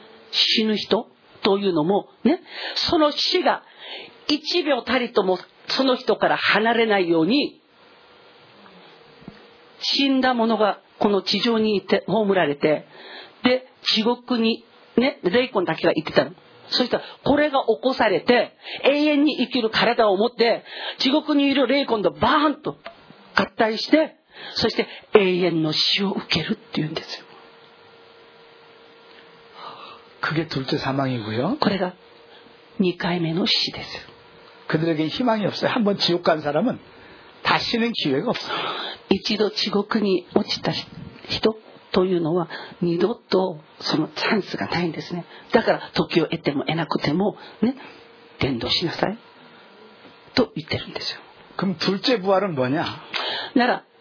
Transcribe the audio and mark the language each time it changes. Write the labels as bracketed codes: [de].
[ja] 死ぬ人というのも ね、 その死が 1秒たりともその人から離れないように 死んだ者が この地上にいて葬られて、で地獄にねレイコンだけは行ってたの。そしたらこれが起こされて永遠に生きる体を持って地獄にいるレイコンとバーンと合体して、そして永遠の死を受けるっていうんですよ。これが2回目の死です。彼らに希望がない。 [ko] 한번地獄간 사람은 다시는 기회가 없어. [ja] 一度地獄に落ちた人というのは二度とそのチャンスがないんですね。だから時を得ても得なくてもね伝道しなさいと言ってるんですよ。 [ko] 그럼 둘째 부활은 뭐냐? [ja] なら